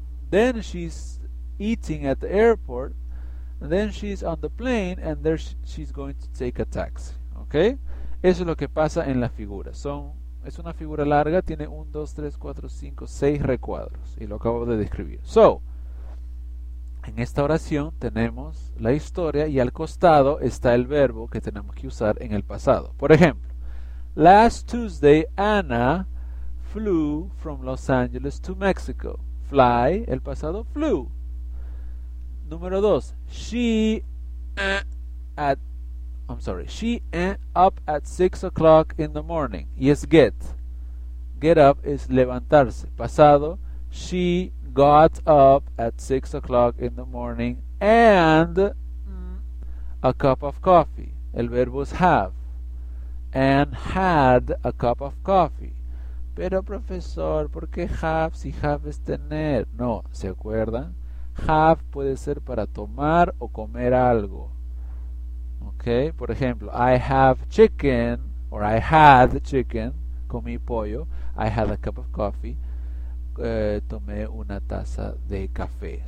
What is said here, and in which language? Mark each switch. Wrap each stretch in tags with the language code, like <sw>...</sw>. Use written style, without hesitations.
<en>Then she's eating at the airport, and then she's on the plane, and there she's going to take a taxi. Okay?</en> <es>Eso es lo que pasa en la figura. Es una figura larga, tiene 1, 2, 3, 4, 5, 6 recuadros, y lo acabo de describir. So, en esta oración tenemos la historia y al costado está el verbo que tenemos que usar en el pasado. Por ejemplo,</es> <en>last Tuesday, Anna flew from Los Angeles to Mexico. Fly,</en> <es>el pasado,</es> <en>flew.</en> <es>Número dos.</es> <en>She at I'm sorry. She up at 6 o'clock in the morning. Yes, get. Get up is levantarse.</en> <es>Pasado.</es> <en>She got up at 6 o'clock in the morning and a cup of coffee.</en> <es>El verbo es</es> <en>have. And had a cup of coffee.</en> <es>Pero profesor, ¿por qué have si have es tener? No, ¿se acuerdan? Have puede ser para tomar o comer algo.</es> <en>Okay,</en> <es>por ejemplo,</es> <en>I have chicken, or I had chicken,</en> <es>comí pollo,</es> <en>I had a cup of coffee,</en> <es>tomé una taza de café.</es>